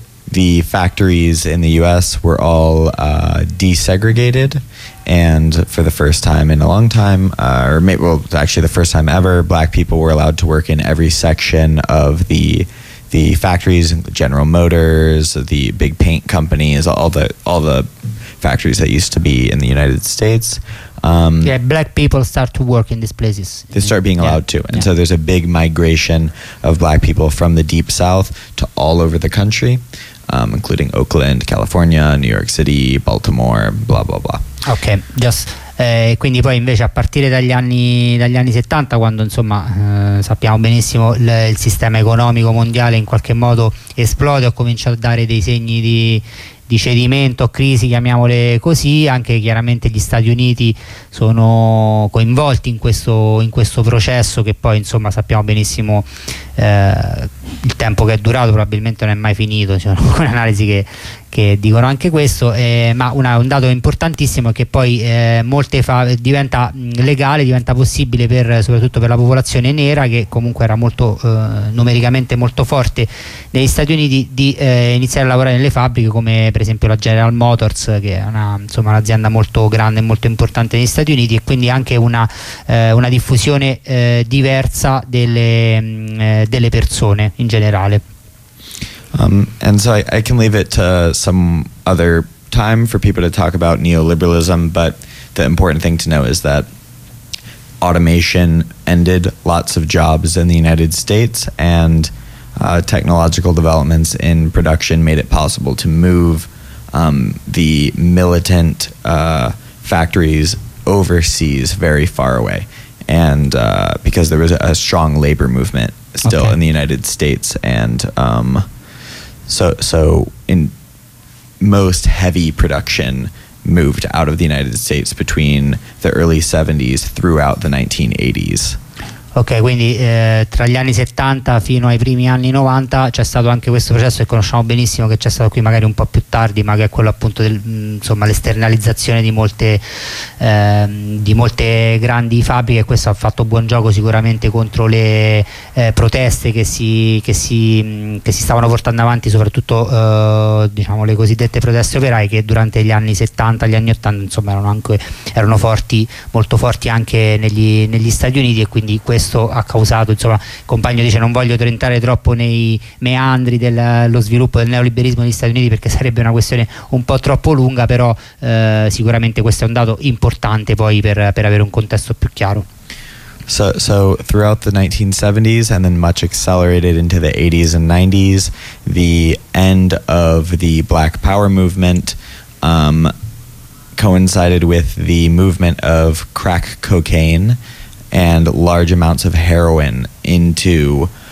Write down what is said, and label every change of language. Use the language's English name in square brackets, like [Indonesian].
[English] The factories in the US were all desegregated, and for the first time in a long time, actually the first time ever, black people were allowed to work in every section of the factories, General Motors, the big paint companies, all the factories that used to be in the United States. Black people start to work in these places. They start being allowed to. And so there's a big migration of black people from the deep south to all over the country, including Oakland, California, New York City, Baltimore, blah, blah, blah. Okay, just... [Italian] quindi poi invece a partire dagli anni 70, quando insomma sappiamo benissimo il sistema economico mondiale in qualche modo esplode o comincia a dare dei segni di cedimento, crisi, chiamiamole così, anche chiaramente gli Stati Uniti sono coinvolti in questo processo, che poi insomma sappiamo benissimo il tempo che è durato probabilmente non è mai finito, ci sono alcune analisi che dicono anche questo, ma un dato importantissimo è che poi diventa legale, diventa possibile soprattutto per la popolazione nera, che comunque era molto numericamente molto forte negli Stati Uniti, di iniziare a lavorare nelle fabbriche, come per esempio la General Motors, che è un'azienda molto grande e molto importante negli Stati Uniti, e quindi anche una diffusione diversa delle persone in generale. [English] And so I can leave it to some other time for people to talk about neoliberalism, but the important thing to know is that automation ended lots of jobs in the United States, and technological developments in production made it possible to move the militant factories overseas very far away, and because there was a strong labor movement still in the United States, and... So in most heavy production moved out of the United States between the early 70s throughout the 1980s. [Italian] Ok, quindi tra gli anni 70 fino ai primi anni 90 c'è stato anche questo processo che conosciamo benissimo, che c'è stato qui magari un po' più tardi, ma che è quello appunto del, insomma, l'esternalizzazione di molte grandi fabbriche, e questo ha fatto buon gioco sicuramente contro le proteste che si stavano portando avanti, soprattutto diciamo le cosiddette proteste operaie, che durante gli anni 70, gli anni 80 insomma erano forti, molto forti anche negli Stati Uniti, e quindi questo ha causato, insomma, il compagno dice: non voglio entrare troppo nei meandri dello sviluppo del neoliberismo negli Stati Uniti perché sarebbe una questione un po' troppo lunga, però sicuramente questo è un dato importante poi per avere un contesto più chiaro. [English] So throughout the 1970s and then much accelerated into the 80s and 90s, the end of the Black Power movement coincided with the movement of crack cocaine and large amounts of heroin into